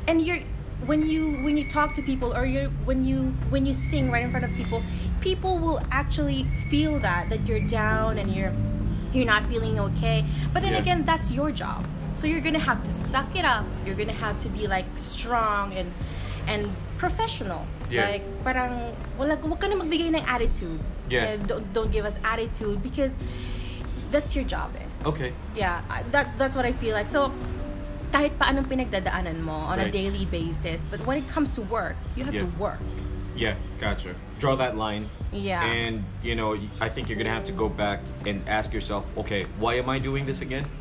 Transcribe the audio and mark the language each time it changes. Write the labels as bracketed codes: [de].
[en] And when you talk to people or when you sing right in front of people, people will actually feel that you're down and you're not feeling okay. But then again, that's your job. So you're gonna have to suck it up. You're gonna have to be like strong and professional. Yeah. [tl] Like parang wala ka na magbigay ng attitude. [en] Yeah. Don't give us attitude because that's your job. Eh. Okay. Yeah. That's what I feel like. So [tl] kahit pa anong pinagdadaanan mo [en] on a daily basis, but when it comes to work, you have to work. Yeah, gotcha. Draw that line. Yeah. And you know, I think you're going to have to go back and ask yourself, "Okay, why am I doing this again?"